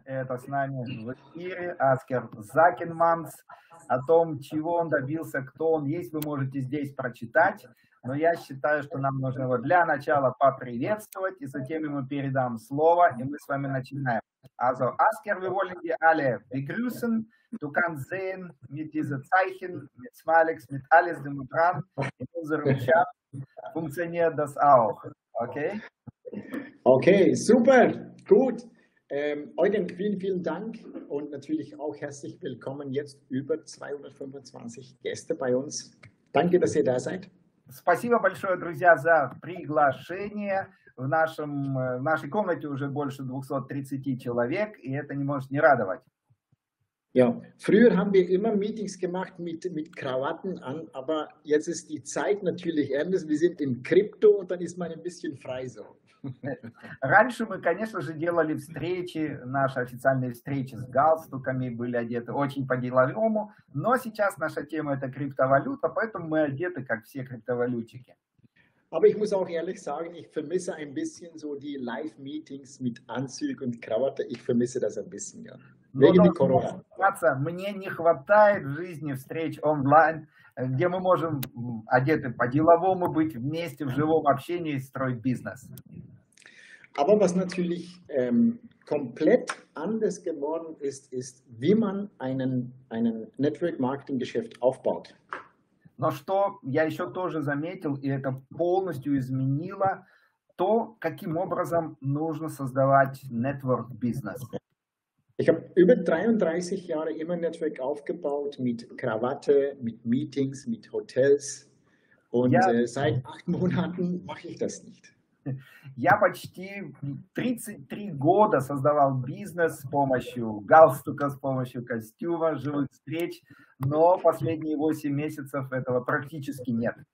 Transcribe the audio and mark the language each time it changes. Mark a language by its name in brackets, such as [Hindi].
[Russian] Это с нами в эфире Аскер Закенманс. О том, чего он добился, кто он есть, вы можете здесь прочитать. Но я считаю, что нам нужно его для начала поприветствовать, и затем ему передам слово, и мы с вами начинаем. [German] Also, Аскер, [Russian] вы можете [German] alle begrüßen. Du kannst sehen mit diesen Zeichen, mit Smilex, mit alles dem dran, in unserem Chat. Funktioniert das auch, okay? Okay, super, gut. Eugen, vielen, vielen Dank und natürlich auch herzlich willkommen jetzt über 225 Gäste bei uns. Danke, dass ihr da seid. [Russian] Спасибо большое, друзья, за приглашение. В нашей комнате уже больше 230 человек, и это не может не радовать. [German] Ja, früher haben wir immer Meetings gemacht mit Krawatten an, aber jetzt ist die Zeit natürlich anders. Wir sind im Krypto und dann ist man ein bisschen frei so. [Russian] Раньше мы, конечно же, делали встречи, наши официальные встречи с галстуками, были одеты очень по-деловому, но сейчас наша тема – это криптовалюта, поэтому мы одеты, как все криптовалютчики. [German] Aber ich muss auch ehrlich sagen, ich vermisse ein bisschen so die Live-Meetings mit Anzug und Krawatte. Ich vermisse das ein bisschen, ja. Wegen der Corona. [Russian] Мне не хватает жизни встреч онлайн, где мы можем одеты по-деловому быть вместе в живом общении и строить бизнес. [German] Aber was natürlich komplett anders geworden ist, ist, wie man einen Network-Marketing-Geschäft aufbaut. [Russian] Но что я еще тоже заметил, и это полностью изменило то, каким образом нужно создавать network business. [German] Ich habe über 33 Jahre immer Network aufgebaut mit Krawatte, mit Meetings, mit Hotels. Und seit 8 Monaten mache ich das nicht. [Russian] Я почти 33 года создавал бизнес с помощью галстука, с помощью костюма, живых встреч, но последние 8 месяцев этого практически нет.